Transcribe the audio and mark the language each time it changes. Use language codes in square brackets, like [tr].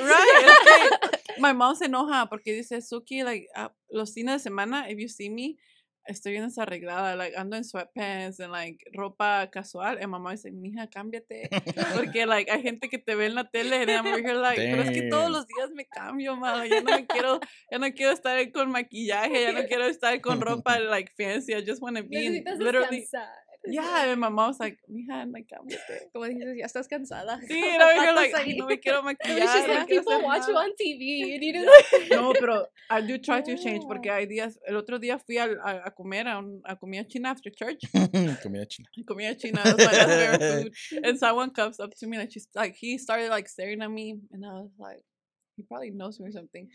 [en] right? Okay. My mom [es] se enoja porque dice, Suki, like los fines de semana [en] if you see me [es] estoy bien desarreglada, like ando en sweatpants and like ropa casual, and my mom dice, mija, cámbiate porque like hay gente que te ve en la tele, [en] and I'm here like, damn. [es] Pero es que todos los días me cambio, mala, ya no quiero estar con maquillaje, ya no quiero estar con ropa like fancy, [en] I just want to be literally [es] cansada. [en] Yeah, and my mom was like, [es] mija, no, cámbiate, como dices, ya estás cansada. Sí, [en] and I'm here like, [es] no me quiero maquillar, [en] she's like, people watch you on TV, you need to [es] no, pero [en] I do try to change [es] porque hay días, el otro día fui a comida china [en] after church. [es] comida china [en] was my favorite food. And someone comes up to me and she's like, he started like staring at me and I was like, he probably knows me or something.